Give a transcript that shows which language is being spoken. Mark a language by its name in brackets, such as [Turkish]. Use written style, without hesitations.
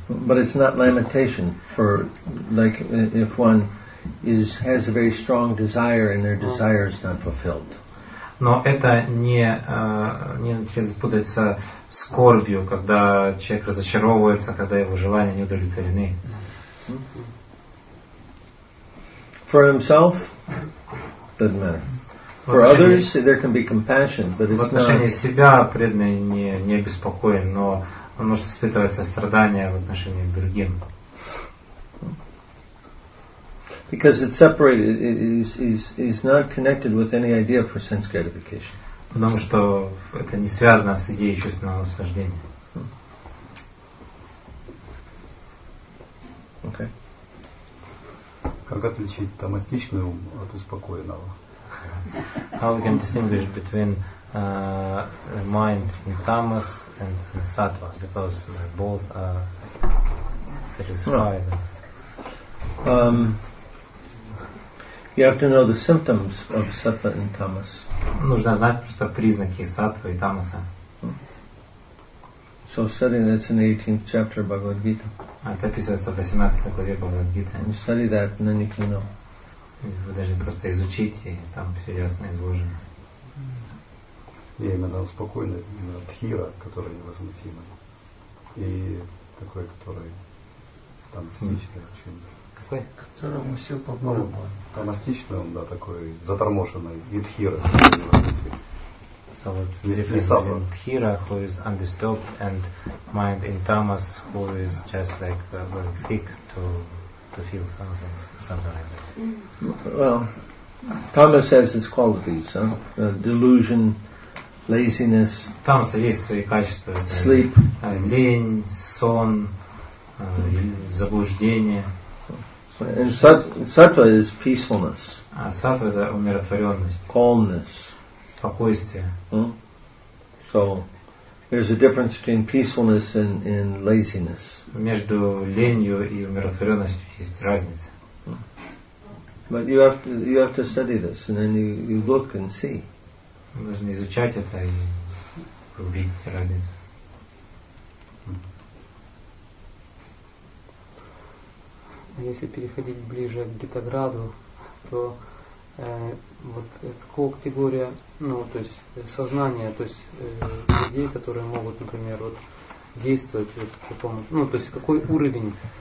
[English] But it's not lamentation for like if one has a very strong desire and their desire is not fulfilled. [Russian] Но это не начинает путаться скорбью, когда человек разочаровывается, когда его желания не удовлетворены. [English] For himself, doesn't matter. For others, there can be compassion, but it's not. [Russian] В отношении себя преданный не беспокоен, но он может испытывать сострадание в отношении к другим. [English] Because it's separated, is not connected with any idea for sense gratification. [Russian] Потому что это не связано с идеей чувственного наслаждения. [English] Okay. [Russian] Как отличить тамастичный ум от успокоенного? [English] How we can distinguish between mind in tamas and in sattva, because both are satisfied. You have to know the symptoms of sattva and tamas. [Russian] Нужно знать просто признаки сатвы и тамаса. [English] So study that's in the 18th chapter of Bhagavad Gita. [Russian] Это описывается в 18 главе Бхагавад Гиты. [English] You study that, and then you can know. [Russian] Вы должны просто изучить, и там все ясно изложено. И именно успокоенный, именно дхира, который невозмутимый. И такой, который там тамастичный очень. Какой? Которому все по-моему. Тамастичный он, да, такой заторможенный. И дхира. [English] So what's the difference between Dhira, who is undisturbed, and mind in tamas, who is just like very thick to feel something, something like that. Well, tamas has its qualities, huh? Delusion, laziness, [Russian] tamas есть свои качества, [English] sleep, [Russian] лень, сон, заблуждение. [English] And sattva is peacefulness. [Russian] А саттва — это умиротворенность. [English] Calmness. [Russian] Спокойствие. [English] So there's a difference between peacefulness and laziness. [Russian] Между ленью и умиротворенностью есть разница. [English] But you have to study this, and then you look and see. [Russian] Вы должны изучать это и увидеть разницу. Если переходить ближе к Гитаграду, то вот какого категория, ну, то есть сознание, то есть людей, которые могут, например, вот действовать вот в таком, ну, то есть какой уровень?